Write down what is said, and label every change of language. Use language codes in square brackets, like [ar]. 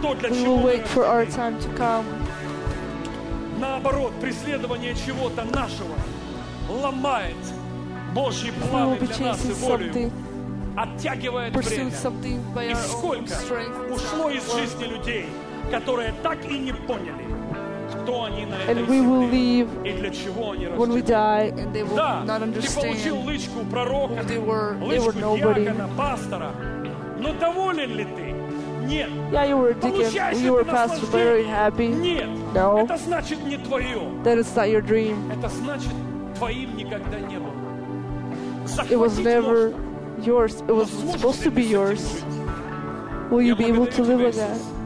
[en] We will wait for our time to come. [ru] Наоборот, преследование чего-то нашего ломает Божьи планы для нас и волю. Оттягивает время. И сколько ушло из жизни людей, которые так и не поняли, кто они на этой земле и для чего они рождены. Да, ты получил личку пророка, личку диакона, пастора, но доволен ли ты? Нет. [en] Yeah, you were a deacon. You were a pastor, very happy. [ru] Нет. [en] No. [ru] Это значит не твое. [en] That is not your dream. [ru] Это значит твоим никогда не было. [en] It was never yours. It was supposed to be yours. Will you be able to live with that?